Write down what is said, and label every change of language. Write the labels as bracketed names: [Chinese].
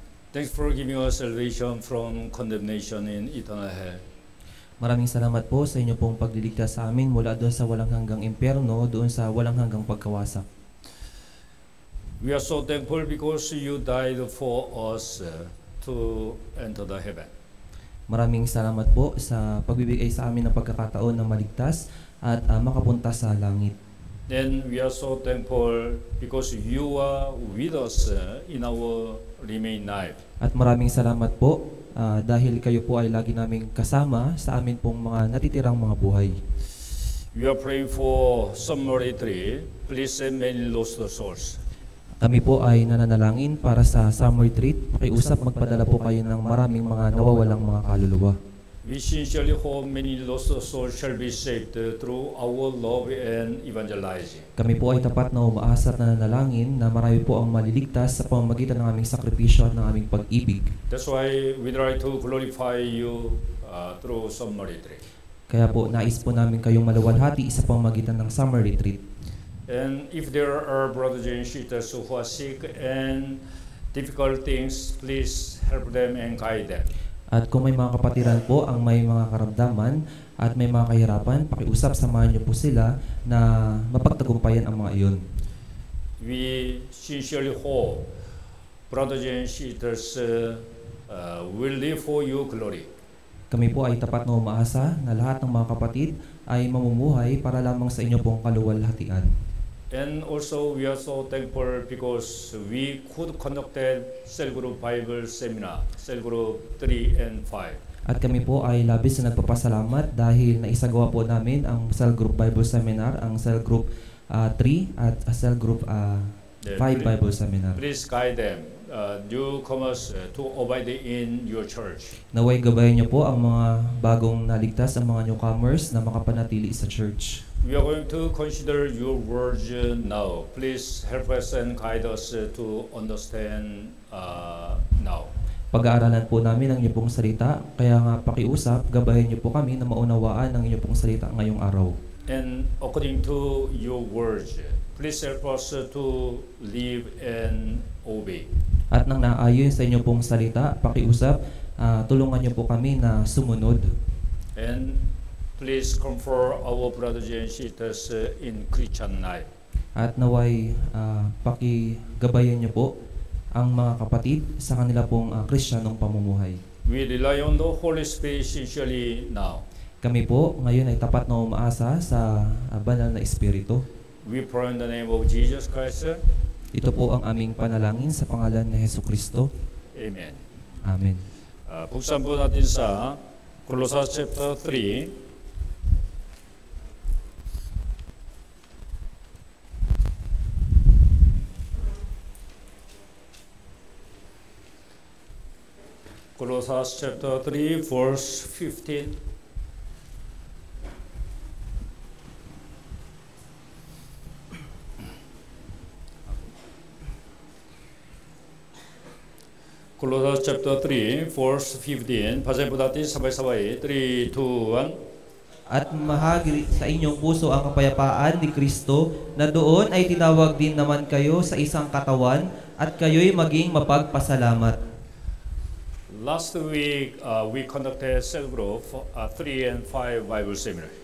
[English] Thanks for giving us salvation from condemnation in eternal hell. [Filipino] Maraming salamat po sa inyo pong pagliligtas sa amin mula doon sa walang hanggang impyerno, doon sa walang hanggang pagkawasa. [English] We are so thankful because you died for us. To enter the heaven. [Filipino] Maraming salamat po sa pagbibigay sa amin ng pagkakataon na maligtas at makapunta sa langit. [English] Then we are so thankful because you are with us in our remaining life. [Filipino] At maraming salamat po dahil kayo po ay lagi naming kasama sa amin pong mga natitirang mga buhay. [English] We are praying for some retreat. Please send many lost souls. [Filipino] Kami po ay nananalangin para sa summer retreat. Pakiusap, magpadala po kayo ng maraming mga nawawalang mga kaluluwa. [English] We sincerely hope many lost souls shall be saved through our love and evangelizing. [Filipino] Kami po ay tapat na umaasa at nananalangin na marami po ang maliligtas sa pamamagitan ng aming sakripisyo at ng aming pag-ibig. [English] That's why we try to glorify you through summer retreat. [Filipino] Kaya po, nais po namin kayong maluwalhati sa pamamagitan ng summer retreat. [English] And if there are brothers and sisters who are sick and difficult things, please help them and guide them. [Filipino] At kung may mga kapatiran po ang may mga karamdaman at may mga kahirapan, pakiusap, samahan niyo po sila na mapagtagumpayan ang mga iyon. [English] We sincerely hope brothers and sisters will live for your glory. [Filipino] Kami po ay tapat na umaasa na lahat ng mga kapatid ay mamumuhay para lamang sa inyo pong kaluwalhatian. [English] And also, we are so thankful because we could conduct a cell group Bible seminar, cell group 3 and 5. [Filipino] At kami po ay labis na nagpapasalamat dahil naisagawa po namin ang cell group Bible seminar, ang cell group 3 at cell group 5 Bible seminar. [English] Please guide them, newcomers, to abide in your church. [Filipino] Naway gabayan niyo po ang mga bagong naligtas, ang mga newcomers na makapanatili sa church. [English] We are going to consider your words now. Please help us and guide us to understand now. [Filipino] Pag-aaralan po namin ang inyong salita, kaya nga pakiusap, gabayan niyo po kami na maunawaan ang inyong salita ngayong araw. [English] And according to your words, please help us to live and obey. [Filipino] At nang naayon sa inyong salita, pakiusap, tulungan niyo po kami na sumunod. [English] And please comfort our brothers and sisters in Christian life. [Filipino] At naway pakigabayan niyo po ang mga kapatid sa kanila pong Kristiyanong pamumuhay. [English] We rely on the Holy Spirit sincerely now. [Filipino] Kami po ngayon ay tapat na umaasa sa banal na Espiritu. [English] We pray in the name of Jesus Christ. [Filipino] Ito po ang aming panalangin sa pangalan ni Jesu Kristo. Amen. Amen. Buksan po natin sa Colossians chapter 3. [English] Colossians chapter 3, verse 15. Colossians chapter 3, verse 15. 바세보다티 사바이사바이 3, 2, 1. [Filipino] At mahagi sa inyong puso ang kapayapaan ni Kristo na doon ay tinawag din naman kayo sa isang katawan at kayo'y maging mapagpasalamat. [English] Last week, we conducted cell group 3 and 5 Bible seminar.